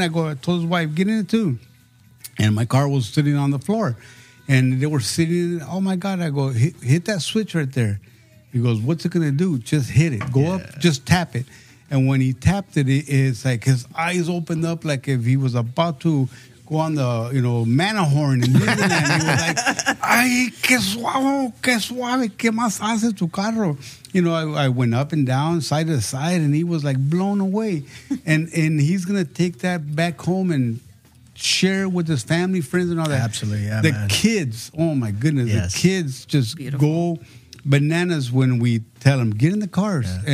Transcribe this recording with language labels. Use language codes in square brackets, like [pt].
[en] I told his wife, get in it, too. And my car was sitting on the floor. And they were sitting, oh, my God. I go, hit that switch right there. He goes, what's it going to do? Just hit it. Go up. Just tap it. And when he tapped it, it's like his eyes opened up like if he was about to go on the, you know, Manahorn. And he was like, [es] ay, qué suave, qué más hace tu carro? [en] You know, I went up and down, side to side, and he was like blown away. And he's going to take that back home and share it with his family, friends, and all that. Absolutely, yeah, the man. Kids, oh my goodness, yes. The kids just beautiful. Go bananas when we tell them, get in the cars. Yeah.